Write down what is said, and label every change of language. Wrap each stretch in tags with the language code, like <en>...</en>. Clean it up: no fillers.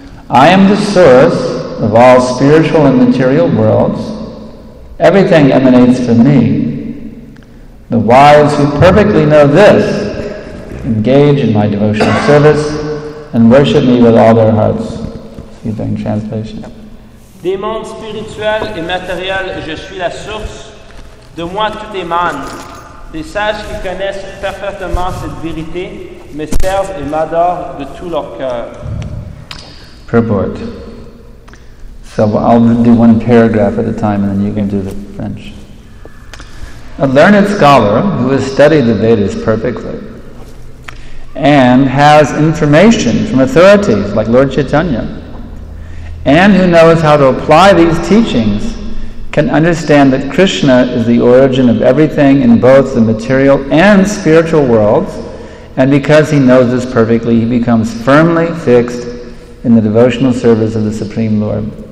<en>I am the source of all spiritual and material worlds. Everything emanates from me. The wise who perfectly know this engage in my devotional service and worship me with all their hearts. See the translation.</en> <fr>Des mondes spirituels et matériels, je suis la source. De moi tout émane. Des sages qui connaissent parfaitement cette vérité me servent et m'adorent de tout leur cœur.</fr> <en>Purport. So I'll do one paragraph at a time and then you can do the French. A learned scholar who has studied the Vedas perfectly and has information from authorities like Lord Chaitanya and who knows how to apply these teachings can understand that Krishna is the origin of everything in both the material and spiritual worlds, and because he knows this perfectly, he becomes firmly fixed in the devotional service of the Supreme Lord.</en>